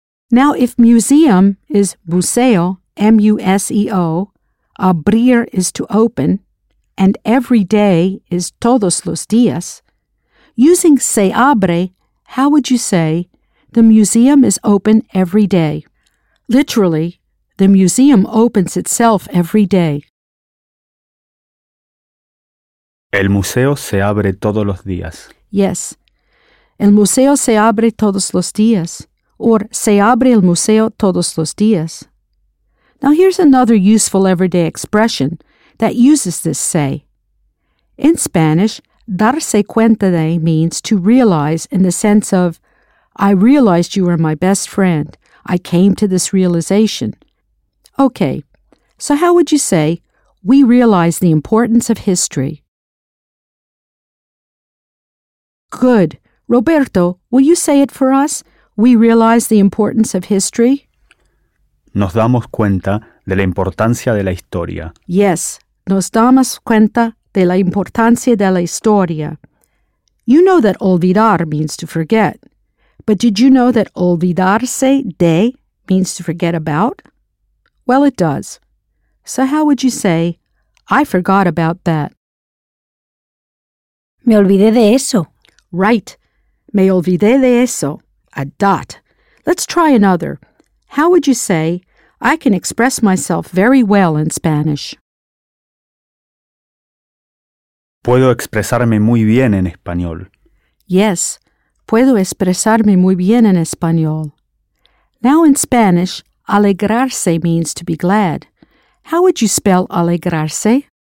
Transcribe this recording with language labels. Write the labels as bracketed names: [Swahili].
[English] Now, if museum is museo, M-U-S-E-O, abrir is to open, and every day is todos los días, using se abre, how would you say, the museum is open every day? Literally, the museum opens itself every day. [Spanish] El museo se abre todos los días. [English] Yes. [Spanish] El museo se abre todos los días. [English] Or, [Spanish] se abre el museo todos los días. [English] Now, here's another useful everyday expression that uses this say. In Spanish, darse cuenta de means to realize in the sense of, I realized you were my best friend. I came to this realization. Okay, so how would you say, we realize the importance of history? Good. Roberto, will you say it for us? We realize the importance of history. [Spanish] Nos damos cuenta de la importancia de la historia. [English] Yes, [Spanish] nos damos cuenta de la importancia de la historia. [English] You know that olvidar means to forget. But did you know that olvidarse de means to forget about? Well, it does. So how would you say, I forgot about that? [Spanish] Me olvidé de eso. [English] Right. [Spanish] Me olvidé de eso. [English] A dot. Let's try another. How would you say, I can express myself very well in Spanish? [Spanish] Puedo expresarme muy bien en español. [English] Yes, [Spanish] puedo expresarme muy bien en español. [English] Now in Spanish, alegrarse means to be glad. How would you spell alegrarse?